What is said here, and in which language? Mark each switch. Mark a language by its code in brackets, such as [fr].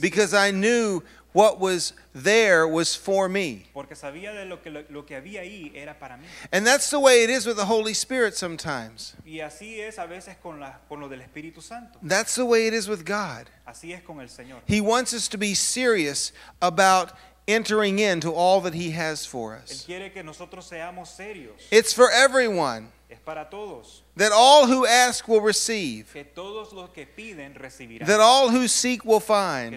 [en] Because I knew what was there was for me. [es] Porque sabía de lo que había ahí era para mí. [en] And that's the way it is with the Holy Spirit sometimes. [es] Y así es a veces con lo del Espíritu Santo. [en] That's the way it is with God. [es] Así es con el Señor. [en] He wants us to be serious about entering into all that he has for us. [es] Él quiere que nosotros seamos serios. [en] It's for everyone. [es] Es para todos. [en] That all who ask will receive. [es] Que todos los que piden recibirán. [en] That all who seek will find.